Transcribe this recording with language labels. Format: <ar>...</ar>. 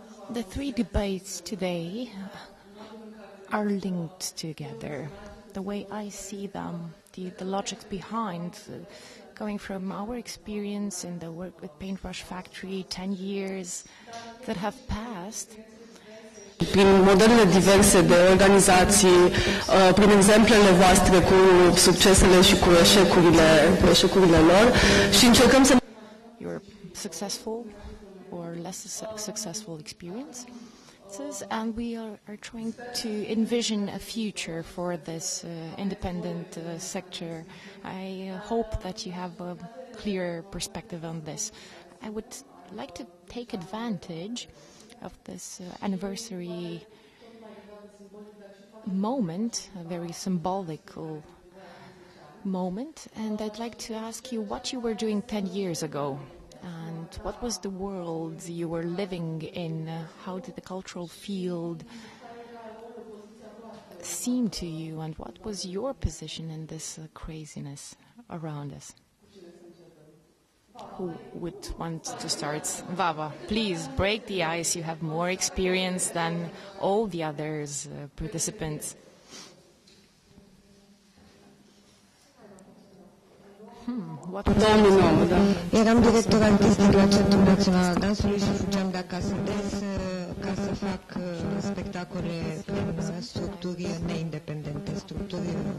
<en>The three debates today are linked together. The way I see them, the logic behind going from our experience in the work with Paintbrush Factory, 10 years that have passed,</en> <ro>prin modelele diverse de organizații, prin exemplele voastre cu succesele și cu eșecurile lor, și încercăm să...</ro> <en>Your successful or less successful experiences, and we are trying to envision a future for this independent sector. I hope that you have a clear perspective on this. I would like to take advantage of this anniversary moment, a very symbolical moment, and I'd like to ask you what you were doing 10 years ago and what was the world you were living in, how did the cultural field seem to you, and what was your position in this craziness around us? Who would want to start? Vava, please break the ice. You have more experience than all the others participants.</en> <ro>Eram director artistic la Centrul Național al Dansului și fugeam de acasă des ca să fac spectacole prin structuri neindependente, structuri.</ro>